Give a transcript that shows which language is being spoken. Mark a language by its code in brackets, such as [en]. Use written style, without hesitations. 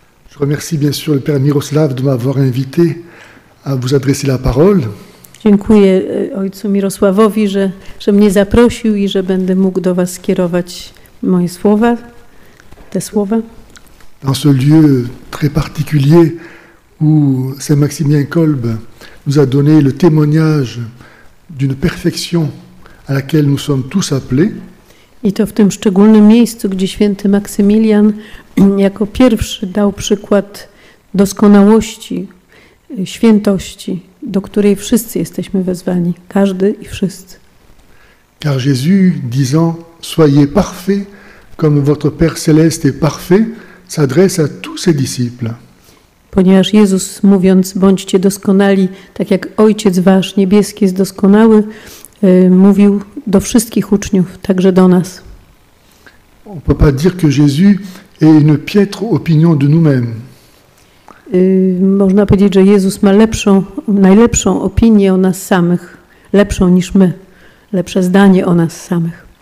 [fr] Je remercie bien sûr le père Mirosław de m'avoir invité à vous adresser la parole. [pl] Dziękuję ojcu Mirosławowi, że mnie zaprosił i że będę mógł do was skierować moje słowa. Te słowa. [fr] Dans ce lieu très particulier où Saint-Maximien Kolb nous a donné le témoignage d'une perfection à laquelle nous sommes tous appelés. [pl] I to w tym szczególnym miejscu, gdzie święty Maksymilian jako pierwszy dał przykład doskonałości, świętości, do której wszyscy jesteśmy wezwani, każdy i wszyscy. [fr] Car Jésus disant soyez parfaits comme votre Père céleste est parfait, s'adresse à tous ses disciples. [pl] Ponieważ Jezus mówiąc bądźcie doskonali, tak jak Ojciec wasz niebieski jest doskonały, mówił do wszystkich uczniów, także do nas. [fr] On peut pas dire que Jésus est une piètre opinion de nous-mêmes. [pl] Można powiedzieć, że Jezus ma lepszą, najlepszą opinię o nas samych, lepszą niż my, lepsze zdanie o nas samych.